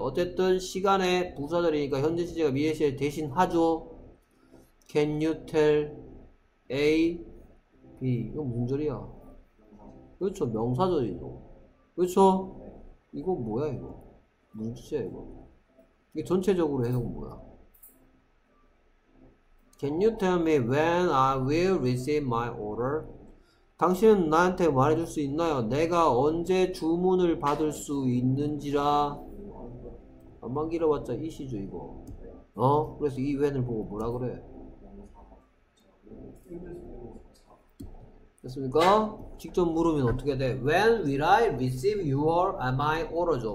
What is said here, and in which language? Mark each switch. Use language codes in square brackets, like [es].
[ko] 어쨌든 시간의 부사절이니까 현재 시제가 미래 시제 대신 하죠. [en] Can you tell A? B. 이거 무슨 절이야? 그렇죠. 명사절이죠. 그렇죠. 이거 뭐야, 이거? 무슨 뜻이야, 이거? [ko] 이게 전체적으로 해석은 뭐야? [en] Can you tell me when I will receive my order? [ko] 당신은 나한테 말해줄 수 있나요? 내가 언제 주문을 받을 수 있는지라. 안만 길어봤자 이시죠, 이거. 어? 그래서 이 when을 보고 뭐라 그래? 됐습니까? 직접 물으면 어떻게 돼? [en] When will I receive your my order [ko] 죠?